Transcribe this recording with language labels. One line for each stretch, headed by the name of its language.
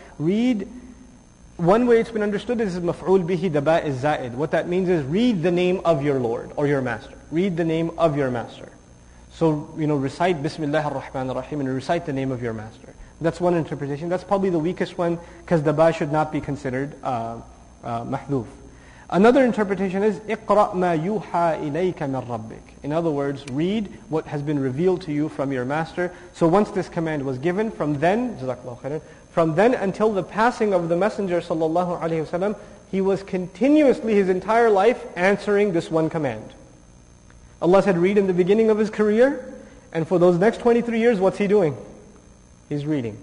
English: Read, one way it's been understood is maf'ul bihi daba'iz za'id. What that means is read the name of your Lord or your Master. Read the name of your Master. So, you know, recite Bismillah ar-Rahman ar-Rahim and recite the name of your Master. That's one interpretation. That's probably the weakest one because daba should not be considered mahduf. Another interpretation is
Arabic: اقرأ ما يوحى إليك من ربك.
English: In other words, read what has been revealed to you from your master. So once this command was given, from then,
Arabic: جزاكالله خيرا,
English: from then until the passing of the Messenger
Arabic: صلى الله عليه وسلم,
English: he was continuously his entire life answering this one command. Allah said, read in the beginning of his career, and for those next 23 years, what's he doing? He's reading.